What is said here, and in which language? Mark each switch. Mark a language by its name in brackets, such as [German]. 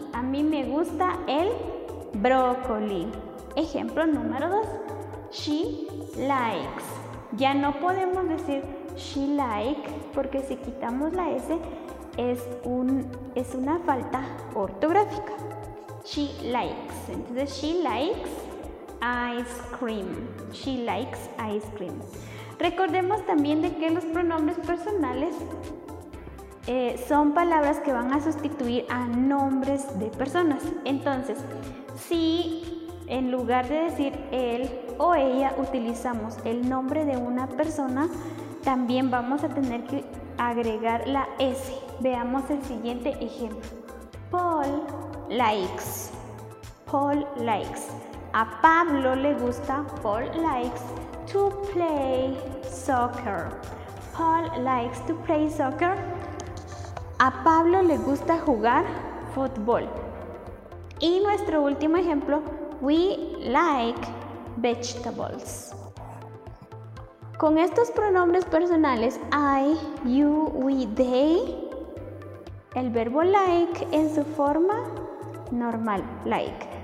[Spanish] A mí me gusta el brócoli. Ejemplo número 2, [English] she likes. [Spanish] Ya no podemos decir [English] she like, [Spanish] porque si quitamos la S, es una falta ortográfica. [English] She likes, entonces she likes ice cream. She likes ice cream. [Spanish] Recordemos también de que los pronombres personales son palabras que van a sustituir a nombres de personas. Entonces, si en lugar de decir él o ella utilizamos el nombre de una persona, también vamos a tener que agregar la S. Veamos el siguiente ejemplo. [English] Paul likes. Paul likes. [Spanish] A Pablo le gusta, [English] Paul likes to play soccer. Paul likes to play soccer. [Spanish] A Pablo le gusta jugar fútbol. Y nuestro último ejemplo, [English] we like vegetables. [Spanish] Con estos pronombres personales, I, you, we, they, el verbo like en su forma normal, like.